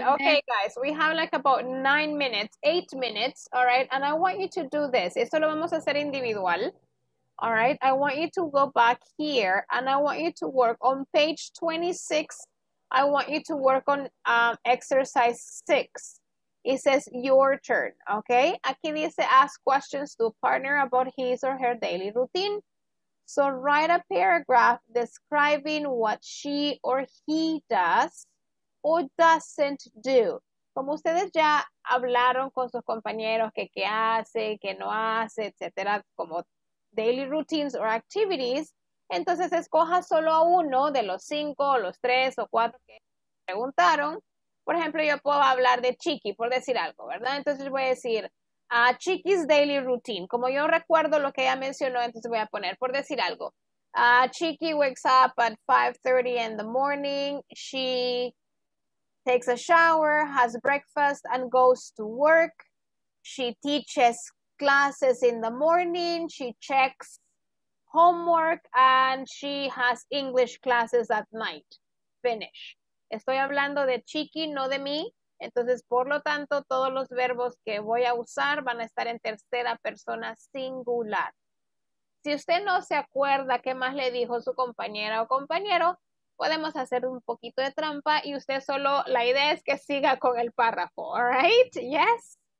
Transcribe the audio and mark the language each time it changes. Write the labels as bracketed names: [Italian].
[English] Okay, guys, we have like about 9 minutes, 8 minutes, all right? And I want you to do this. [Spanish] Esto lo vamos a hacer individual, all right? [English] I want you to go back here, and I want you to work on page 26. I want you to work on exercise 6. It says your turn, okay? [Spanish] Aquí dice [English] ask questions to a partner about his or her daily routine. So write a paragraph describing what she or he does or doesn't do. [Spanish] Como ustedes ya hablaron con sus compañeros que qué hace, qué no hace, etcétera, como [English] daily routines or activities, [Spanish] entonces escoja solo a uno de los 5, o los 3 o 4 que preguntaron. Por ejemplo, yo puedo hablar de Chiqui, por decir algo, ¿verdad? Entonces voy a decir, [English] Chiqui's daily routine. [Spanish] Como yo recuerdo lo que ella mencionó, entonces voy a poner, por decir algo. [English] Chiqui wakes up at 5:30 in the morning. She takes a shower, has breakfast, and goes to work. She teaches classes in the morning. She checks homework, and she has English classes at night. [Spanish] Finish. Estoy hablando de Chiqui, no de mí. Entonces, por lo tanto, todos los verbos que voy a usar van a estar en tercera persona singular. Si usted no se acuerda qué más le dijo su compañera o compañero, podemos hacer un poquito de trampa y usted solo, la idea es que siga con el párrafo, all right? Yes.